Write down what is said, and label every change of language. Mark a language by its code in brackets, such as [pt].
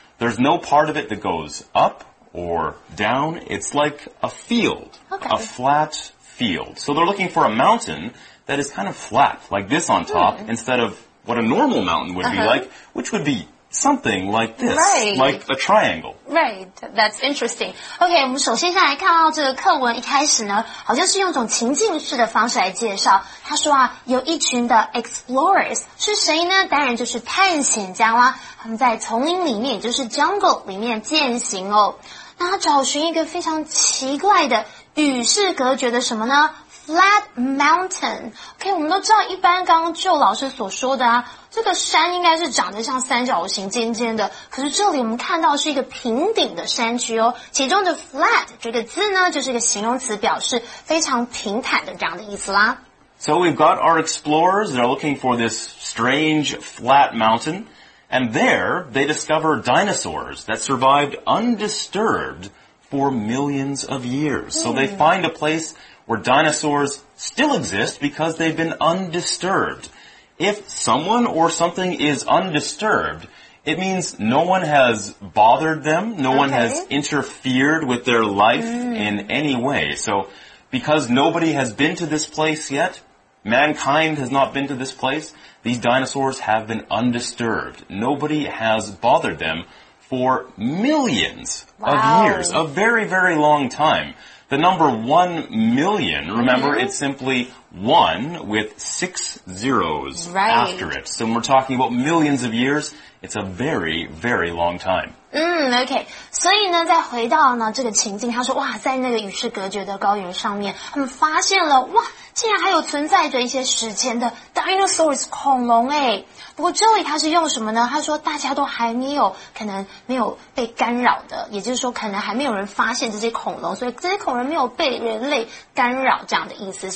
[en] There's no part of it that goes up or down. It's like a field, a flat field. So they're looking for a mountain that is kind of flat, like this on top, instead of what a normal mountain would be like, which would be something like this, like a triangle. Right, that's interesting. [zh] Okay, 我们首先先来看到这个课文一开始呢，好像是用一种情境式的方式来介绍。他说啊，有一群的 explorers 是谁呢？当然就是探险家啦。他们在丛林里面，也就是 jungle 里面践行哦。那他找寻一个非常奇怪的与世隔绝的什么呢？ [en] Flat mountain. [zh] OK, 我们都知道一般刚刚就老师所说的啊，这个山应该是长得像三角形尖尖的，可是这里我们看到是一个平顶的山区哦，其中的 flat 这个字呢，就是一个形容词，表示非常平坦的这样的意思啦。 [en] So we've got our explorers, they're looking for this strange flat mountain, and there they discover dinosaurs that survived undisturbed for millions of years. So they find a place where dinosaurs still exist because they've been undisturbed. If someone or something is undisturbed, it means no one has bothered them, no one has interfered with their life in any way. So because nobody has been to this place yet, mankind has not been to this place, these dinosaurs have been undisturbed. Nobody has bothered them for millions of years, a very, very long time. The number 1 million, remember, mm-hmm. it's simply 1 with 6 zeros right. after it. So when we're talking about millions of years, it's a very, very long time. [zh] OK, 所以呢再回到呢这个情境，他说哇，在那个与世隔绝的高原上面，他们发现了哇，竟然还有存在着一些史前的 dinosaurs 恐龙诶。不过这里他是用什么呢？他说大家都还没有，可能没有被干扰的，也就是说可能还没有人发现这些恐龙，所以这些恐龙没有被人类干扰这样的意思。